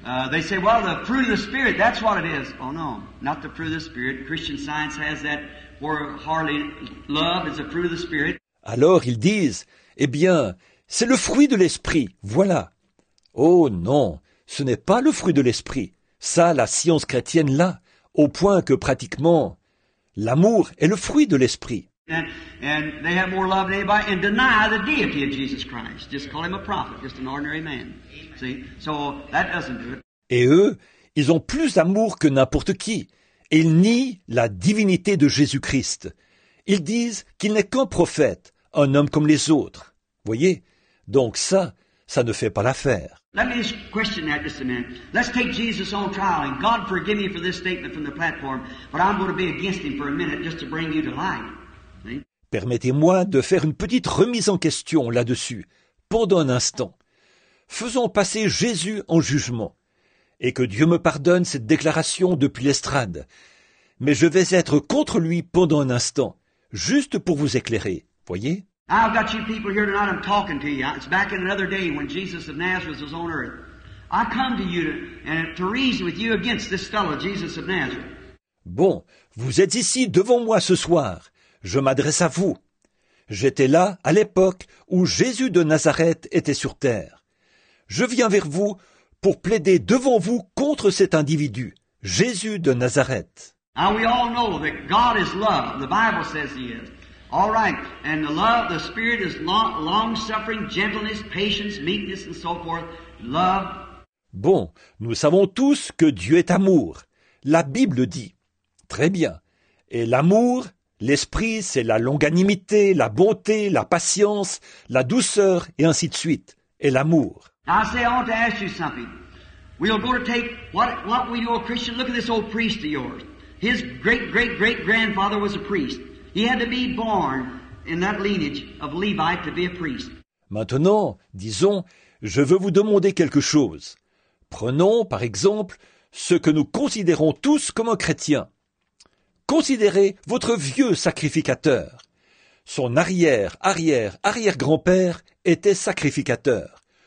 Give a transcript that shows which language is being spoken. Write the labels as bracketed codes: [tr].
[en] They say, well, the fruit of the Spirit, that's what it is. Oh, no, not the fruit of the Spirit. Christian science has that for hardly love is the fruit of the Spirit. [fr] Alors, ils disent, eh bien, c'est le fruit de l'Esprit, voilà. Oh, non, ce n'est pas le fruit de l'Esprit. Ça, la science chrétienne l'a, au point que pratiquement, l'amour est le fruit de l'Esprit. [en] And they have more love than anybody and deny the deity of Jesus Christ. Just call him a prophet, just an ordinary man. See? So that doesn't do it. [fr] Et eux, ils ont plus d'amour que n'importe qui. Ils nient la divinité de Jésus-Christ. Ils disent qu'il n'est qu'un prophète, un homme comme les autres. Voyez? Donc ça ne fait pas l'affaire. [en] Let me just question that just a minute. Let's take Jesus on trial and God forgive me for this statement from the platform, but I'm going to be against him for a minute just to bring you to light. See? [fr] Permettez-moi de faire une petite remise en question là-dessus, pendant un instant. Faisons passer Jésus en jugement, et que Dieu me pardonne cette déclaration depuis l'estrade. Mais je vais être contre lui pendant un instant, juste pour vous éclairer, voyez? [en] I've got you people here tonight, I'm talking to you. It's back in another day when Jesus of Nazareth was on earth. I come to you to reason with you against this fellow, Jesus of Nazareth. [fr] Bon, vous êtes ici devant moi ce soir. Je m'adresse à vous. J'étais là à l'époque où Jésus de Nazareth était sur terre. Je viens vers vous pour plaider devant vous contre cet individu, Jésus de Nazareth. [en] Now we all know that God is love. The Bible says he is. All right. And the love, the Spirit is long-suffering, gentleness, patience, meekness, and so forth. Love. [fr] Bon, nous savons tous que Dieu est amour. La Bible dit. Très bien. Et l'amour, L'esprit, c'est la longanimité, la bonté, la patience, la douceur, et ainsi de suite, et l'amour. [en] I say, I want to ask you something. We'll go to take what we do a Christian. Look at this old priest of yours. His great-great-great-grandfather was a priest. He had to be born in that lineage of Levi to be a priest. [fr] Maintenant, disons, je veux vous demander quelque chose. Prenons, par exemple, ce que nous considérons tous comme un chrétien. Considérez votre vieux sacrificateur. Son arrière-arrière-arrière-grand-père était sacrificateur.